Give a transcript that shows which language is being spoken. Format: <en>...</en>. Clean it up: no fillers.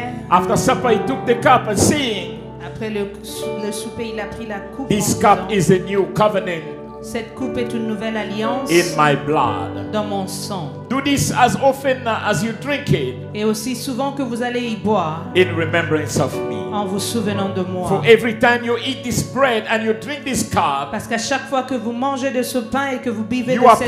<en>After supper, he took the cup and saying,</en> <fr>après le souper, il a pris la coupe.</fr> <en>This cup is a new covenant.</en> <fr>Cette coupe est une nouvelle alliance.</fr> <en>In my blood.</en> <fr>Dans mon sang.</fr> <en>Do this as often as you drink it.</en> <fr>Et aussi souvent que vous allez y boire.</fr> <en>In remembrance of me.</en> <fr>En vous souvenant de moi.</fr> <en>For every time you eat this bread and you drink this cup.</en> <fr>Parce qu'à chaque fois que vous mangez de ce pain et que vous buvez de cette</fr>